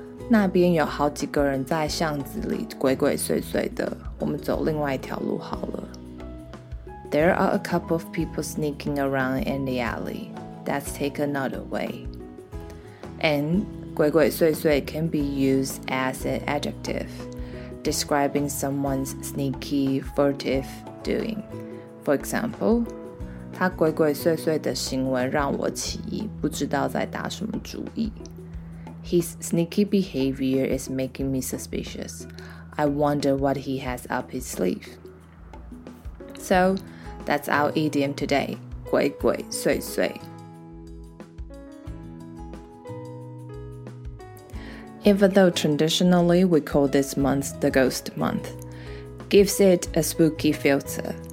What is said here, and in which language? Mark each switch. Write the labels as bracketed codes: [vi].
[zh] 那边有好几个人在巷子里鬼鬼祟祟的，我们走另外一条路好了。 [en] There are a couple of people sneaking around in the alley. Let's take another way. And 鬼鬼祟祟 can be used as an adjective, describing someone's sneaky, furtive doing. For example, [zh] 他鬼鬼祟祟的行为让我起疑，不知道在打什么主意。 [en] His sneaky behavior is making me suspicious. I wonder what he has up his sleeve. So, that's our idiom today. 鬼鬼祟祟。 Even though traditionally we call this month the ghost month, gives it a spooky filter.